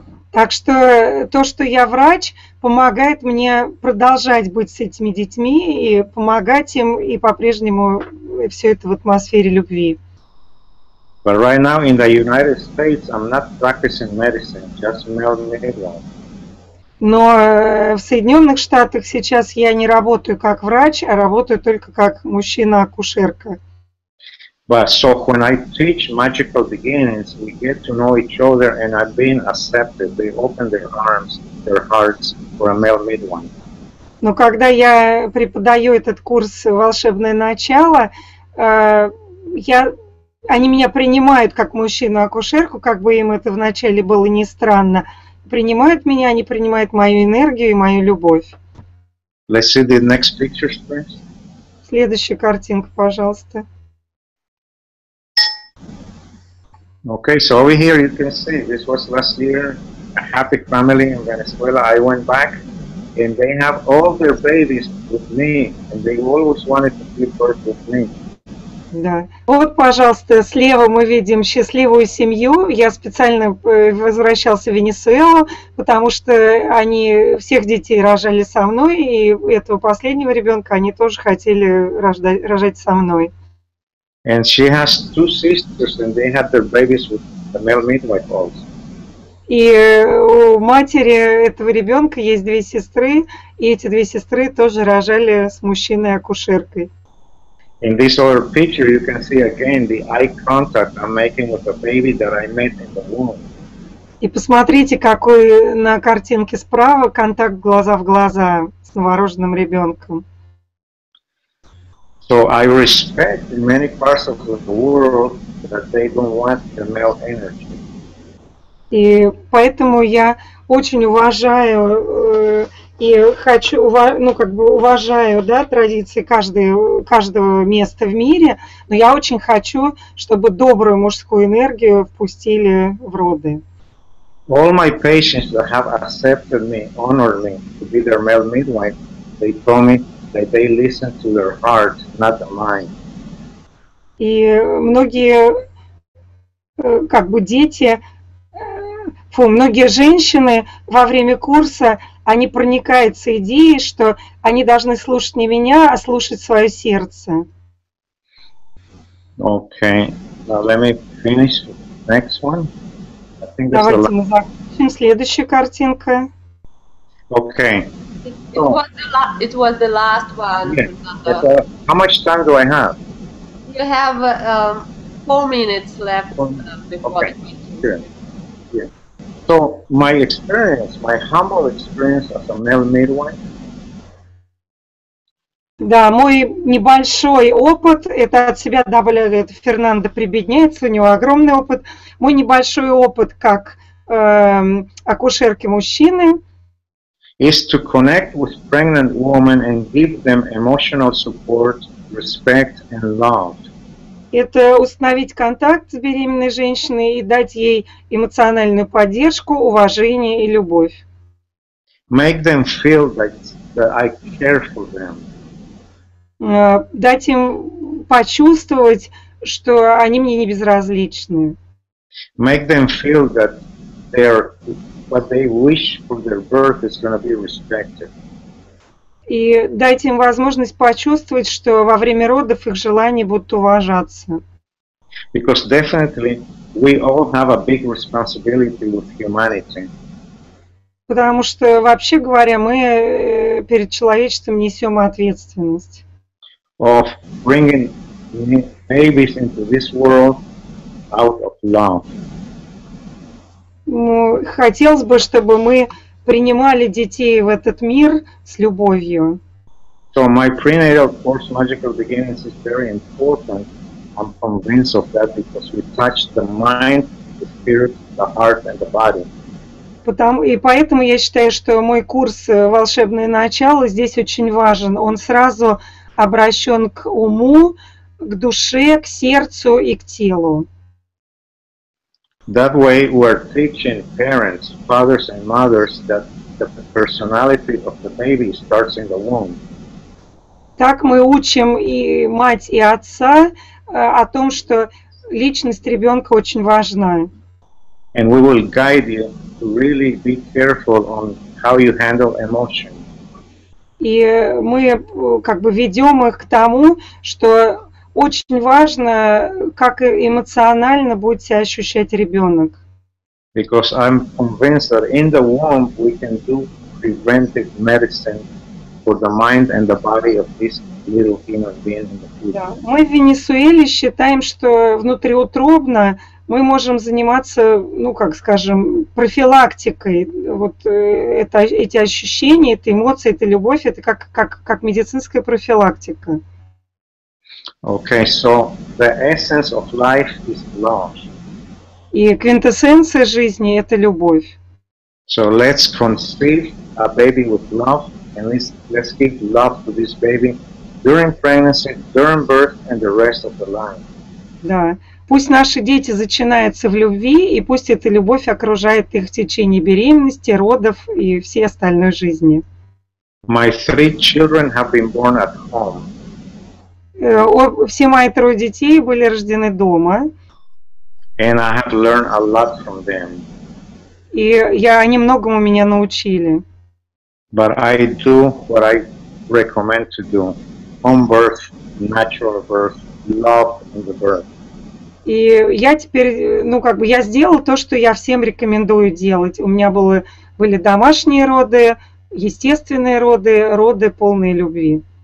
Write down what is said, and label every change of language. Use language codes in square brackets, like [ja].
[ru] Так что то, что я врач, помогает мне продолжать быть с этими детьми и помогать им и по-прежнему все это в атмосфере любви. [en] But right now in the United States I'm not practicing medicine, just male midwife. [ru] Но в Соединенных Штатах сейчас я не работаю как врач, а работаю только как мужчина-акушерка. [en] But so when I teach magical beginnings, we get to know each other and I've been accepted. They open their arms, their hearts for a male midwife. [ru] Но когда я преподаю этот курс «Волшебное начало», они меня принимают как мужчину-акушерку, как бы им это вначале было не странно. Принимают меня, они принимают мою энергию и мою любовь. [en] Let's see the next pictures, please. [ru] Следующая картинка, пожалуйста. [en] Okay, so over here you can see this was last year a happy family in Venezuela. I went back and they have all their babies with me and they always wanted to give birth with me. [ru] Да. Вот, пожалуйста, слева мы видим счастливую семью. Я специально возвращался в Венесуэлу, потому что они всех детей рожали со мной, и этого последнего ребенка они тоже хотели рожать со мной. [en] And she has two sisters, and they had their babies with the male midwife also. [ru] И у матери этого ребенка есть две сестры, и эти две сестры тоже рожали с мужчиной-акушеркой. [en] In this other picture, you can see again the eye contact I'm making with the baby that I met in the womb. [ru] И посмотрите, какой на картинке справа контакт глаза в глаза с новорожденным ребенком. [en] So I respect in many parts of the world that they don't want the male energy. [ru] И поэтому я очень уважаю и хочу, ну, как бы уважаю, да, традиции каждого места в мире, но я очень хочу, чтобы добрую мужскую энергию впустили в роды. [en] All my patients that have accepted me, honored me to be their male midwife, they told me that they listen to their heart, not the mind. [ru] И многие, как бы дети, многие женщины во время курса, они проникаются идеей, что они должны слушать не меня, а слушать свое сердце. [en] Okay. Now let me finish next one. [ru] Давайте мы закончим. Следующая картинка. [en] Okay. It was the last one. Yeah. How much time do I have? Yeah, you have 4 minutes left before the meeting. Okay. So my experience, my humble experience as a male midwife. [ru] Да, мой небольшой опыт, это от себя добавляю, это Фернандо прибедняется, у него огромный опыт. Мой небольшой опыт как акушерки мужчины. [en] Is to connect with pregnant women and give them emotional support, respect and love. [ru] Это установить контакт с беременной женщиной и дать ей эмоциональную поддержку, уважение и любовь. [en] Make them feel that I care for them. [ru] Дать им почувствовать, что они мне не безразличны. [en] Make them feel that their what they wish for their birth is going to be respected. [ru] И дать им возможность почувствовать, что во время родов их желания будут уважаться. [en] Because definitely we all have a big responsibility with humanity. [ru] Потому что вообще говоря, мы перед человечеством несем ответственность. [en] Of bringing babies into this world out of love. [ru] Ну, хотелось бы, чтобы мы принимали детей в этот мир с любовью. [en] So my prenatal course Magical Beginnings is very important. I'm convinced of that because we touch the mind, the spirit, the heart and the body. [ru] И поэтому я считаю, что мой курс «Волшебное начало» здесь очень важен. Он сразу обращен к уму, к душе, к сердцу и к телу. [en] That way we're teaching parents, fathers and mothers that the personality of the baby starts in the womb. [ru] Так мы учим и мать, и отца о том, что личность ребенка очень важна. [en] And we will guide you to really be careful on how you handle emotions. [ru] И мы как бы ведем их к тому, что очень важно, как эмоционально будет себя ощущать ребенок. [en] Because I'm convinced that in the womb we can do preventive medicine for the mind and the body of this little human being in the future. [ru] Да. Мы в Венесуэле считаем, что внутриутробно мы можем заниматься, ну как скажем, профилактикой. Вот это, эти ощущения, это эмоции, это любовь, это как медицинская профилактика. [en] Okay, so the essence of life is love. [ru] И квинтэссенция жизни это любовь. [en] So let's conceive a baby with love and let's give love to this baby during pregnancy, during birth and the rest of the life. [ru] Да. Пусть наши дети зачинаются в любви, и пусть эта любовь окружает их в течение беременности, родов и всей остальной жизни. [en] My three children have been born at home. [ru] Все мои трое детей были рождены дома. [en] And I have learned a lot from them. [ru] И они многому меня научили. [en] But I do what I recommend to do. Home birth, natural birth, love in the birth. [ru] И я теперь, ну как бы, я сделала то, что я всем рекомендую делать. У меня были домашние роды, естественные роды, роды полные любви.